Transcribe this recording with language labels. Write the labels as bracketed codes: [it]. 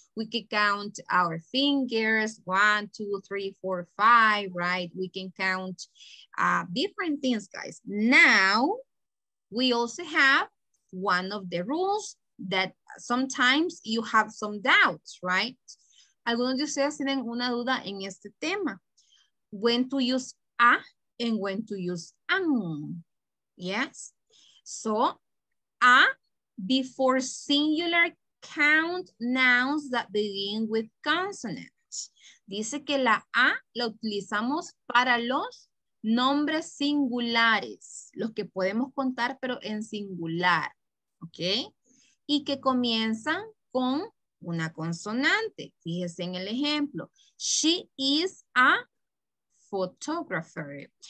[en] We can count our fingers, 1, 2, 3, 4, 5, right? We can count different things, guys. Now, we also have one of the rules that sometimes you have some doubts, right? [es] Algunos de ustedes tienen una duda en este tema. [en] When to use a and when to use an. Yes? So, a before singular count nouns that begin with consonant. much. [es] Dice que la A la utilizamos para los nombres singulares, los que podemos contar, pero en singular, ¿ok? Y que comienzan con una consonante. Fíjese en el ejemplo. [en] She is a photographer.